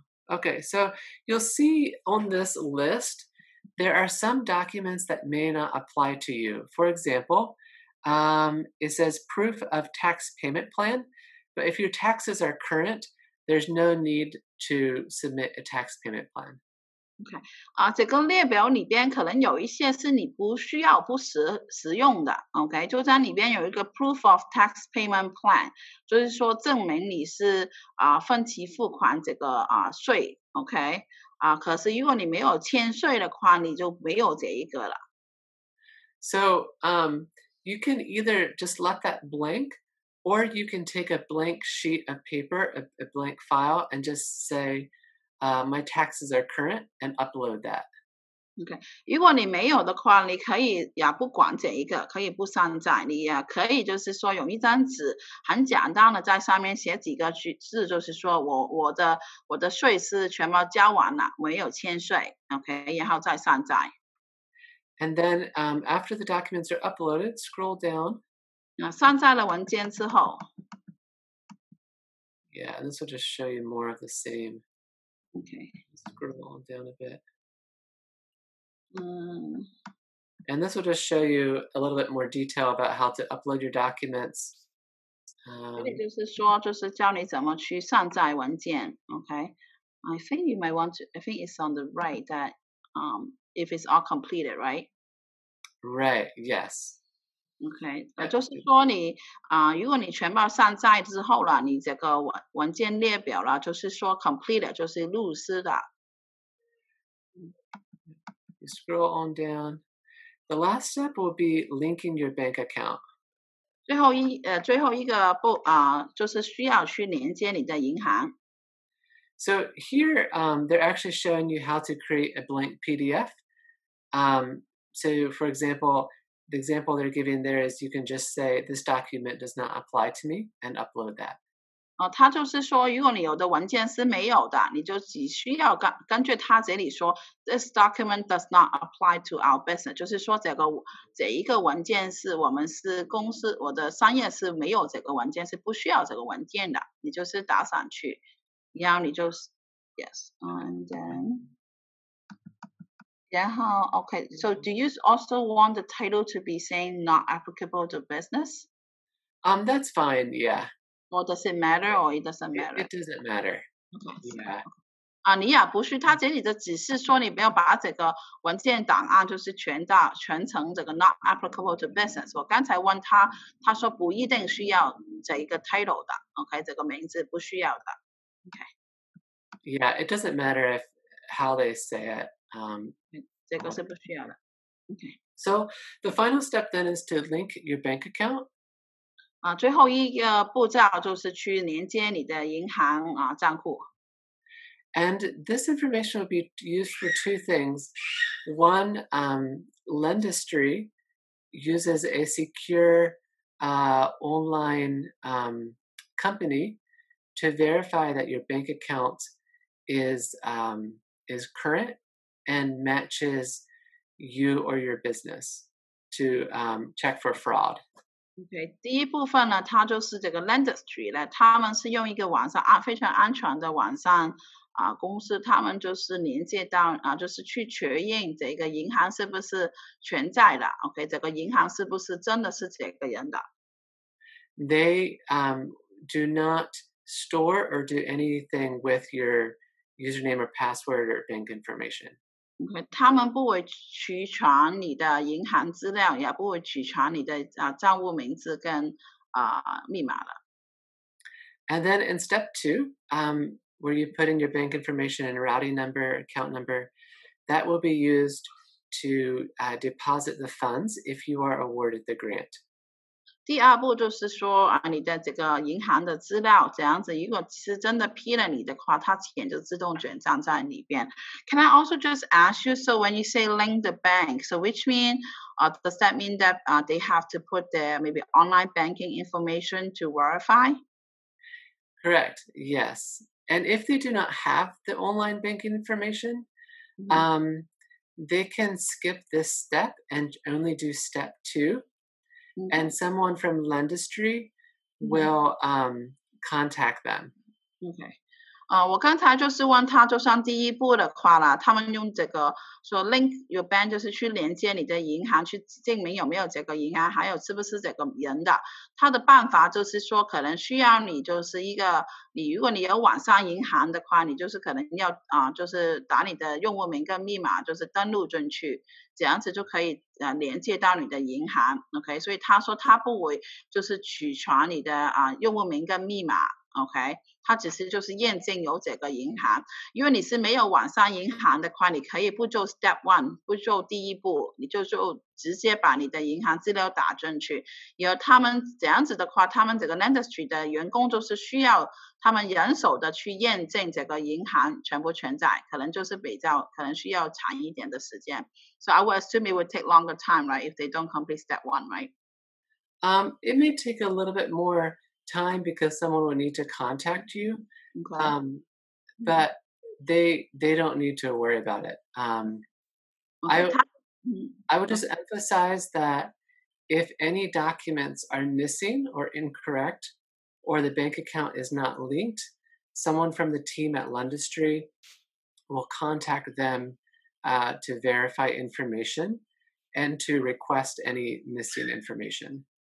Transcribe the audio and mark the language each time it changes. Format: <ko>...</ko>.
<en>Okay, so you'll see on this list, there are some documents that may not apply to you. For example, it says proof of tax payment plan, but if your taxes are current, there's no need to submit a tax payment plan.</en> <zh>Okay, 这个列表里边可能有一些是你不需要不实用的 Okay, 就在里边有一个</zh> <en>proof of tax payment plan</en> <zh>就是说证明你是分期付款这个税 Okay, 可是如果你没有欠税的话你就没有这一个了</zh> <en>So, you can either just let that blank or you can take a blank sheet of paper, a blank file and just say,my taxes are current and upload that.</en> <zh>Okay. 如果你没有的话你可以也不管这一个可以不上载你也可以就是说用一张纸很简单的在上面写几个字就是说我的税是全部交完了没有欠税 Okay. 然后再上载。</zh> <en>And then, after the documents are uploaded, scroll down.</en> <zh>上载了文件之后。</zh> <en>Yeah, this will just show you more of the same. Okay. Scroll on down a bit. And this will just show you a little bit more detail about how to upload your documents.</en> <zh>就是说，就是教你怎么去上载文件 Okay.</zh> <en>I think you might want to, I think it's on the right that, if it's all completed, right? Right, yes.</en> <zh>Okay, 就是说你如果你全部上载之后了，你这个文件列表了，就是说 completed 就是入师的。</zh> <en>You scroll on down. The last step will be linking your bank account.</en> <zh>最后一个步就是需要去连接你的银行。</zh> <en>So here, they're actually showing you how to create a blank PDF. So for example,The example they're giving there is you can just say, this document does not apply to me, and upload that.</en> <zh>他就是说如果你有的文件是没有的你就只需要根据他这里说</zh> <en>this document does not apply to our business.</en> <zh>就是说这一个文件是我们是公司我的商业是没有这个文件是不需要这个文件的你就是打上去然后你就</zh> <en>yes, and then... Yeah, okay. So do you also want the title to be saying not applicable to business? That's fine, yeah. Well, does it matter or it doesn't matter? It doesn't matter. Okay. Yeah.</en> <zh>你也不需他这里的只是说你不要把这个文件档案就是全程这个</zh> <en>not applicable to business.</en> <zh>我刚才问他说不一定需要这一个 title 的 okay, 这个名字不需要的 okay.</zh> <en>Yeah, it doesn't matter if how they say it.</en> <zh>这个是不需要的 okay.</zh> <en>So the final step then is to link your bank account.</en> <zh>最后一个步骤就是去连接你的银行账户。</zh> <en>And this information will be used for two things. One, Lendistry uses a secure online company to verify that your bank account is current. And matches you or your business to check for fraud.</en> <zh>Okay, 第一部分呢，它就是这个 Lendistry 呢，他们是用一个网上非常安全的网上公司，他们就是连接到就是去确认这个银行是不是存在的。 Okay, 这个银行是不是真的是这个人的</zh> <en>？They do not store or do anything with your username or password or bank information.</en> <zh>Okay, 他们不会取传你的银行资料，也不会取传你的账户名字跟密码了。</zh> <en>And then in step two, where you put in your bank information and routing number, account number, that will be used to deposit the funds if you are awarded the grant.</en> <zh>第二步就是说、啊、你的这个银行的资料这样子，如果是真的批了你的话，它钱就自动转账在里边。</zh> <en>Can I also just ask you, so when you say link the bank, so which mean、does that mean that、they have to put their maybe online banking information to verify? Correct, yes. And if they do not have the online banking information、mm-hmm. They can skip this step and only do step two. And someone from Lendistry will、contact them.</en> <zh>Okay.、我刚才就是问他就算第一步的话啦，他们用这个说</zh> <en>link your bank</en> <zh>就是去连接你的银行，去证明有没有这个银行，还有是不是这个人的。他的办法就是说可能需要你就是一个，你如果你有网上银行的话，你就是可能要、就是打你的用户名跟密码，就是登录进去，这样子就可以连接到你的银行 ，OK， 所以他说他不会就是取传你的啊用户名跟密码 ，OK， 他只是就是验证有这个银行，因为你是没有网上银行的话，你可以不做 step one， 不做第一步，你就直接把你的银行资料打进去，然后他们这样子的话，他们这个 industry 的员工就是需要他们人手的去验证这个银行全部存在，可能就是比较可能需要长一点的时间。</zh> <en>So I would assume it would take longer time, right, if they don't complete step one, right? It may take a little bit more time because someone will need to contact you. Okay. But they don't need to worry about it. I would just emphasize that if any documents are missing or incorrect, or the bank account is not linked, someone from the team at Lendistry will contact them to verify information and to request any missing information.</en>